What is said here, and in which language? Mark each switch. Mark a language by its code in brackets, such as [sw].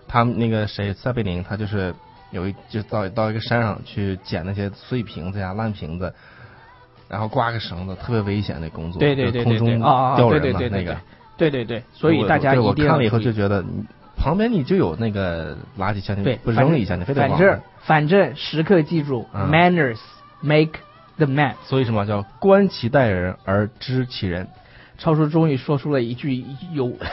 [zh] 他们那个谁撒贝宁，他就是有一就到一个山上去捡那些碎瓶子呀、烂瓶子，然后挂个绳子，特别危险的工作，对对对，空中吊人的那个。对对对，所以大家一定要注意。我看了以后就觉得，旁边你就有那个垃圾箱，对，不扔一下，你非得往。反正时刻记住、 [en] manners make the man。 [zh] 所以什么叫观其待人而知其人？超叔终于说出了一句有